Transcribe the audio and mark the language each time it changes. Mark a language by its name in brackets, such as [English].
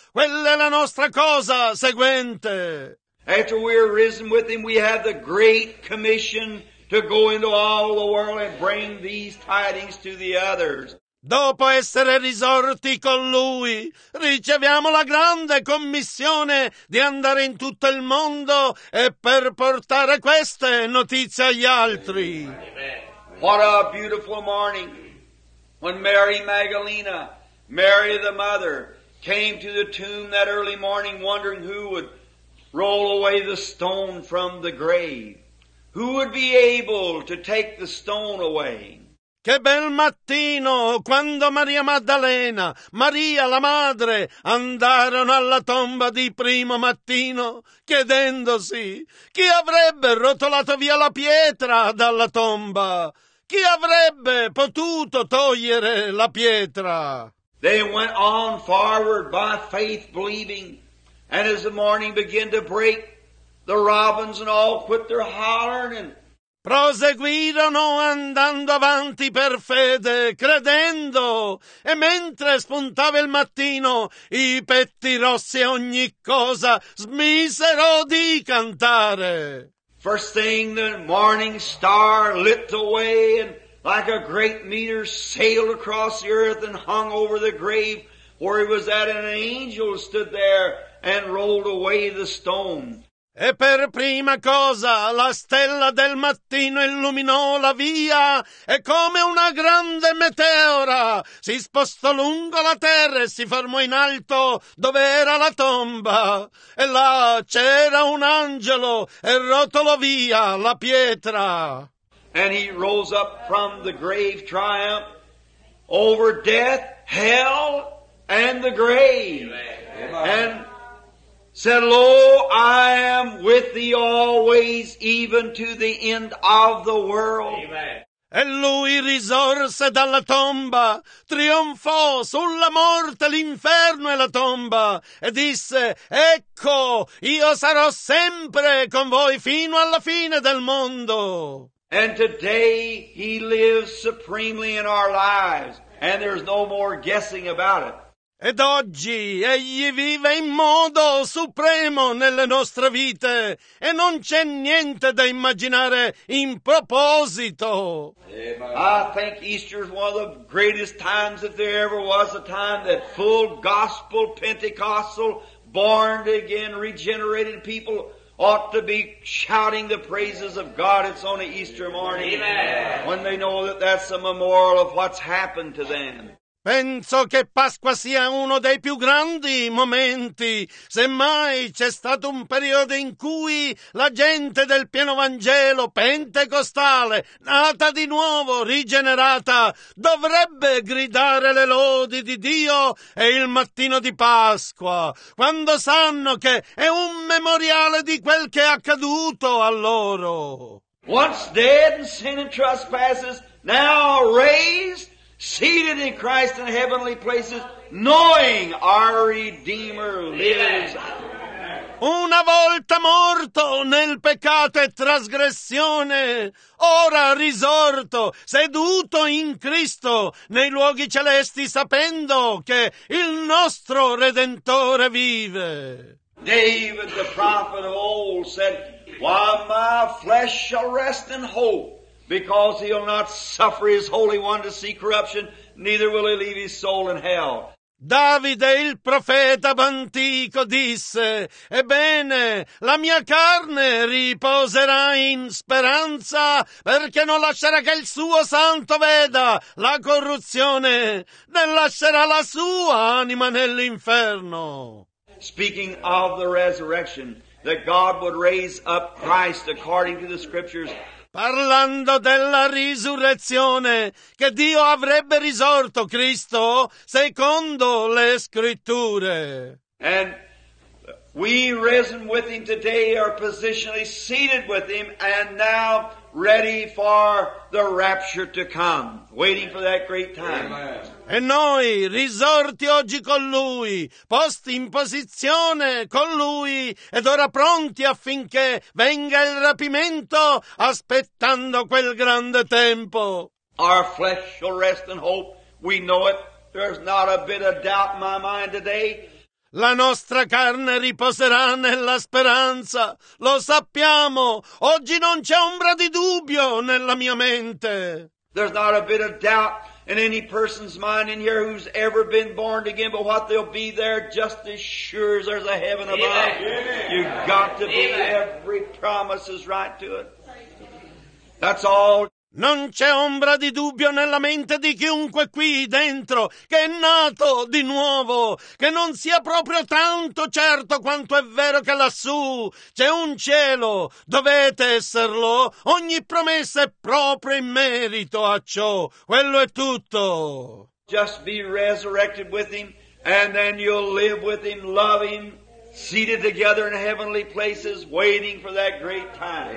[Italian] Quella è la nostra cosa seguente. [English] After we are risen with Him, we have the great commission to go into all the world and bring these tidings to the others. [Italian] Dopo essere risorti con Lui, riceviamo la grande commissione di andare in tutto il mondo e per portare queste notizie agli altri. [English] What a beautiful morning when Mary Magdalena, Mary the mother, came to the tomb that early morning wondering who would roll away the stone from the grave. Who would be able to take the stone away? [Italian] Che bel mattino quando Maria Maddalena, Maria la madre, andarono alla tomba di primo mattino chiedendosi chi avrebbe rotolato via la pietra dalla tomba? Chi avrebbe potuto togliere la pietra? [English] They went on forward by faith believing. And as the morning began to break, the robins and all quit their hollering. [Italian] Proseguirono andando avanti per fede, credendo. E mentre spuntava il mattino, i petti rossi ogni cosa smisero di cantare. [English] First thing the morning star lit the way, and like a great meteor sailed across the earth and hung over the grave where he was at, and an angel stood there and rolled away the stone. [Italian] E per prima cosa la stella del mattino illuminò la via e come una grande meteora si spostò lungo la terra e si fermò in alto dove era la tomba. E là c'era un angelo e rotolò via la pietra. [English] And he rose up from the grave triumph over death, hell and the grave. Amen. And said, Lo, I am with thee always, even to the end of the world. Amen. [Italian] E lui risorse dalla tomba, trionfò sulla morte, l'inferno e la tomba, e disse, Ecco, io sarò sempre con voi fino alla fine del mondo. [English] And today he lives supremely in our lives, and there's no more guessing about it. [Italian] Ed oggi egli vive in modo supremo nelle nostre vite e non c'è niente da immaginare in proposito. [English] I think Easter is one of the greatest times that there ever was, a time that full gospel, Pentecostal, born again, regenerated people ought to be shouting the praises of God. It's on an Easter morning. Amen. When they know that that's a memorial of what's happened to them. [Italian] Penso che Pasqua sia uno dei più grandi momenti. Semmai c'è stato un periodo in cui la gente del pieno Vangelo pentecostale, nata di nuovo, rigenerata, dovrebbe gridare le lodi di Dio e il mattino di Pasqua, quando sanno che è un memoriale di quel che è accaduto a loro. [English] Once dead in sin and trespasses, now raised, seated in Christ in heavenly places, knowing our Redeemer lives. [Italian] Una volta morto nel peccato e trasgressione, ora risorto, seduto in Cristo nei luoghi celesti, sapendo che il nostro Redentore vive. [English] David the prophet of old said, While my flesh shall rest in hope, because he'll not suffer his Holy One to see corruption, neither will he leave his soul in hell. [Italian] Davide, il profeta antico, disse: ebbene, la mia carne riposerà in speranza, perché non lascerà che il suo santo veda la corruzione, né lascerà la sua anima nell'inferno. [English] Speaking of the resurrection, that God would raise up Christ according to the scriptures. [Italian] Parlando della risurrezione, che Dio avrebbe risorto Cristo secondo le scritture. [English] And we risen with him today, are positionally seated with him, and now ready for the rapture to come, waiting for that great time. Amen. [Italian] E noi, risorti oggi con Lui, posti in posizione con Lui, ed ora pronti affinché venga il rapimento, aspettando quel grande tempo. [English] Our flesh shall rest in hope, we know it, there's not a bit of doubt in my mind today. [Italian] La nostra carne riposerà nella speranza, lo sappiamo, oggi non c'è ombra di dubbio nella mia mente. [English] There's not a bit of doubt in any person's mind in here who's ever been born again, but what they'll be there just as sure as there's a heaven above. Yeah. You've got to be yeah. Every promise is right to it. That's all. [Italian] Non c'è ombra di dubbio nella mente di chiunque qui dentro che è nato di nuovo, che non sia proprio tanto certo quanto è vero che lassù c'è un cielo, dovete esserlo, ogni promessa è proprio in merito a ciò, quello è tutto. [English] Just be resurrected with him and then you'll live with him, love him, seated together in heavenly places waiting for that great time.